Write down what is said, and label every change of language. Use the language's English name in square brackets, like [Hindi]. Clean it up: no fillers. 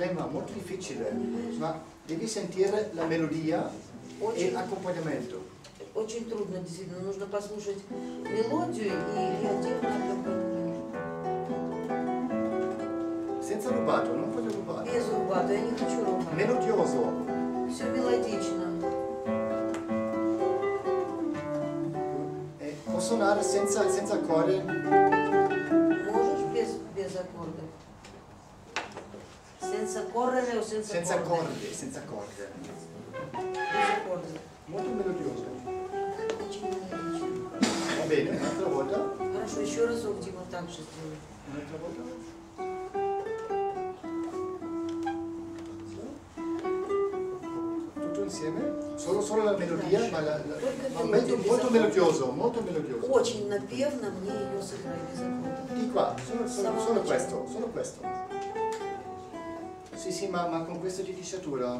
[Italian] Molto difficile, ma devi sentire la melodia e l'accompagnamento. [Russian] Очень трудно, действительно, нужно послушать мелодию и отдельно. [Italian] Senza rubato, non voglio rubare. [Russian] Без rubato, я не хочу rubare. Мелодиозо. Все мелодично. [Italian] Può suonare senza accordi. [Russian] Можешь без аккорда. [Italian] Senza correre o senza, senza corde? Corde? Senza corde, senza corde. Molto melodioso. Va bene, un'altra volta. [Russian] Хорошо, еще раз ultimo, так же сделаем. [Italian] Un'altra volta. Tutto insieme? Solo la melodia, ma molto melodioso, molto melodioso. [Russian] Очень напевно мне ее сыграли за [Italian] corde. Di qua, solo questo. Sì, sì, ma con questa dentatura.